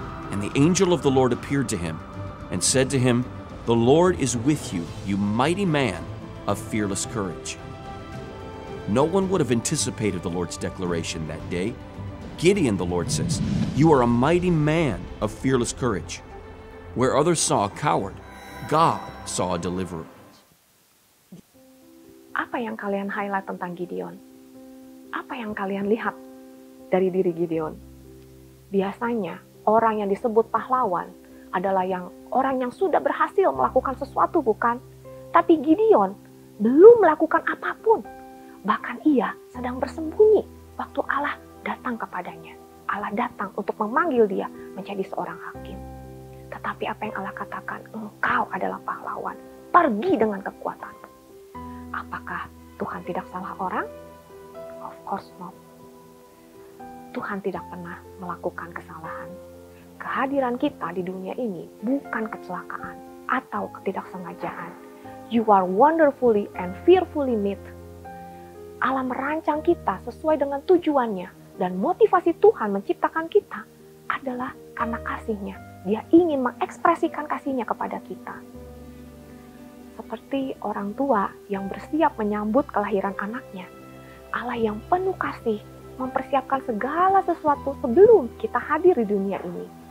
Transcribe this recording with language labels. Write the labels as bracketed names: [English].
[English] And the angel of the Lord appeared to him and said to him, "The Lord is with you, you mighty man of fearless courage." No one would have anticipated the Lord's declaration that day. "Gideon," the Lord says, "you are a mighty man of fearless courage." Where others saw a coward, God saw a deliverer. [Indonesian] Apa yang kalian highlight tentang Gideon? Apa yang kalian lihat dari diri Gideon? Biasanya orang yang disebut pahlawan adalah orang yang sudah berhasil melakukan sesuatu, bukan? Tapi Gideon belum melakukan apapun. Bahkan ia sedang bersembunyi waktu Allah datang kepadanya. Allah datang untuk memanggil dia menjadi seorang hakim. Tetapi apa yang Allah katakan? Engkau adalah pahlawan. Pergi dengan kekuatan. Apakah Tuhan tidak salah orang? [English] Of course not. [Indonesian] Tuhan tidak pernah melakukan kesalahan. Kehadiran kita di dunia ini bukan kecelakaan atau ketidaksengajaan. [English] You are wonderfully and fearfully made. [Indonesian] Allah merancang kita sesuai dengan tujuannya, dan motivasi Tuhan menciptakan kita adalah karena kasih-Nya. Dia ingin mengekspresikan kasih-Nya kepada kita. Seperti orang tua yang bersiap menyambut kelahiran anaknya, Allah yang penuh kasih mempersiapkan segala sesuatu sebelum kita hadir di dunia ini.